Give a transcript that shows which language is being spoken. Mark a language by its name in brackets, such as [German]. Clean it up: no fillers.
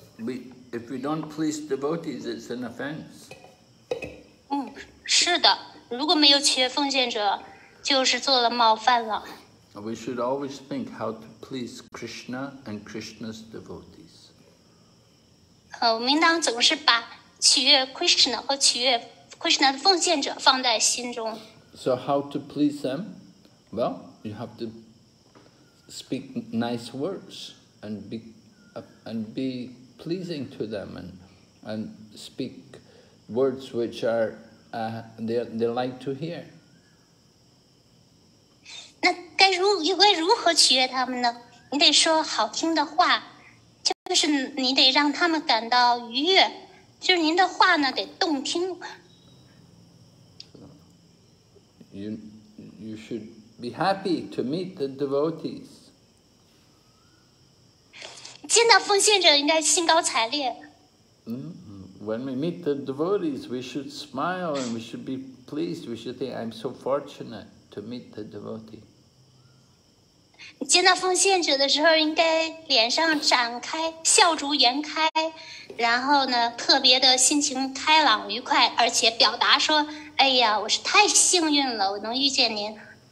[English] If we don't please devotees, it's an offense. [Chinese] 是的，如果没有取悦奉献者，就是做了冒犯了。 [English] We should always think how to please Krishna and Krishna's devotees. [Chinese] 我们应当总是把取悦 Krishna 和取悦 Krishna 的奉献者放在心中。 [English] So how to please them? Well, you have to speak nice words and be pleasing to them and speak words which are they like to hear. [Chinese] 那该如何取悦他们呢？你得说好听的话。就是你得让他们感到愉悦，就是您的话呢得动听。 [English] You should be happy to meet the devotees. [Chinese] 见到奉献者应该兴高采烈。 [English] When we meet the devotees, we should smile and we should be pleased. We should think, I'm so fortunate to meet the devotee. [Chinese] 见到奉献者的时候，应该脸上展开笑逐颜开，然后呢，特别的心情开朗愉快，而且表达说：“哎呀，我是太幸运了，我能遇见您。”